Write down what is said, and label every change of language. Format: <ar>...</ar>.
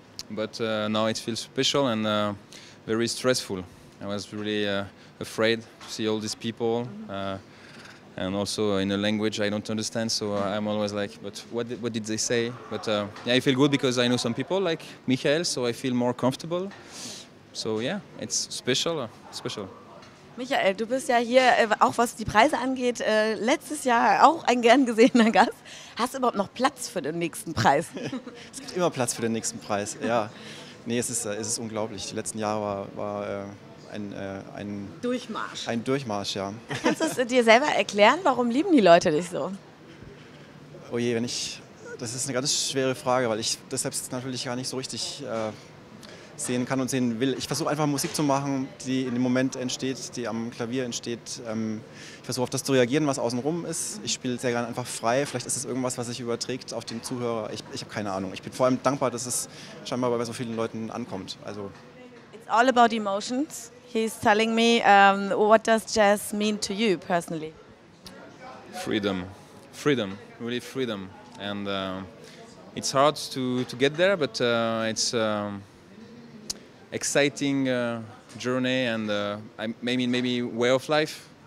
<en>But now it feels special and very stressful. I was really afraid to see all these people. And also in a language I don't understand, so I'm always like, but what did they say? But yeah, I feel good because I know some people like Michael, so I feel more comfortable. So yeah, it's special, special.</en> <de>Michael, du bist ja hier, auch was die Preise angeht, letztes Jahr auch ein gern gesehener Gast. Hast du überhaupt noch Platz für den nächsten Preis? Es gibt immer Platz für den nächsten Preis, ja. Nee, es ist unglaublich. Die letzten Jahre war ein Durchmarsch. Ein Durchmarsch, ja. Kannst du es dir selber erklären? Warum lieben die Leute dich so? Oh je, wenn ich. Das ist eine ganz schwere Frage, weil ich das selbst natürlich gar nicht so richtig sehen kann und sehen will. Ich versuche einfach Musik zu machen, die in dem Moment entsteht, die am Klavier entsteht. Ich versuche auf das zu reagieren, was außenrum ist. Ich spiele sehr gerne einfach frei. Vielleicht ist es irgendwas, was sich überträgt auf den Zuhörer. Ich habe keine Ahnung. Ich bin vor allem dankbar, dass es scheinbar bei so vielen Leuten ankommt. Also</de> <en>it's all about emotions. He's telling me, what does jazz mean to you personally? Freedom. Freedom. Really freedom. And it's hard to get there, but it's exciting journey and maybe way of life.</en>